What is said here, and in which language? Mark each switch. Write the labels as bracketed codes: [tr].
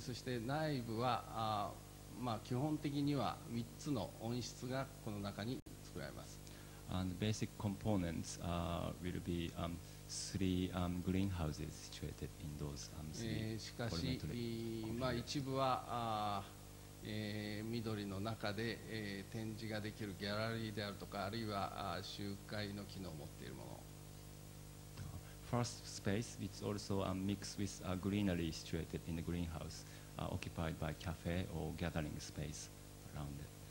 [ja] そして内部は、まあ、基本的には3つの温室がこの中に作られます。 [en] And basic components will be three greenhouses situated in those [ja] しかし、まあ、一部は緑の中で展示ができるギャラリーであるとか、あるいは集会の機能を持っているもの。 [en] First space, it's also mixed with a greenery situated in the greenhouse, occupied by cafe or gathering space around it.